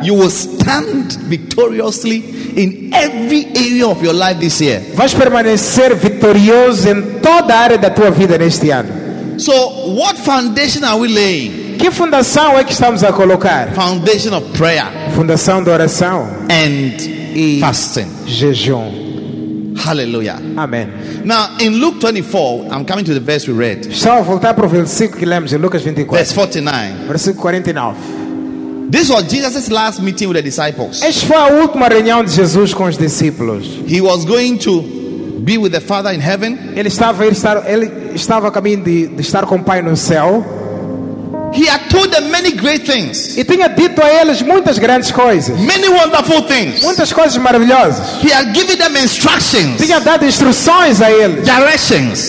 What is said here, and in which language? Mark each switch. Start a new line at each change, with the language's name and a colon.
English: you will stand victoriously in every area of your life this year.
Portuguese: Vais permanecer vitorioso em toda a área da tua vida neste ano.
English: So, what foundation are we laying?
Portuguese: Que fundação é que estamos a colocar?
English: Foundation of prayer.
Portuguese: Fundação de oração.
English: And fasting.
Portuguese: Jejum. Hallelujah. Amen.
English: Now in Luke 24, I'm coming to the verse we read.
Portuguese: Só voltar para o versículo que lemos em Lucas 24.
English: Verse 49.
Portuguese: Versículo 49.
English: This was Jesus' last meeting with the disciples.
Portuguese: Esta foi a última reunião de Jesus com os discípulos.
English: He was going to be with the Father in heaven.
Portuguese: Ele estava a caminho de estar com o Pai no céu.
English: He had told them many great things.
Portuguese: E tinha dito a eles muitas grandes coisas.
English: Many wonderful things.
Portuguese: Muitas coisas maravilhosas.
English: He had given them instructions.
Portuguese: Tinha dado instruções a eles.
English: Directions.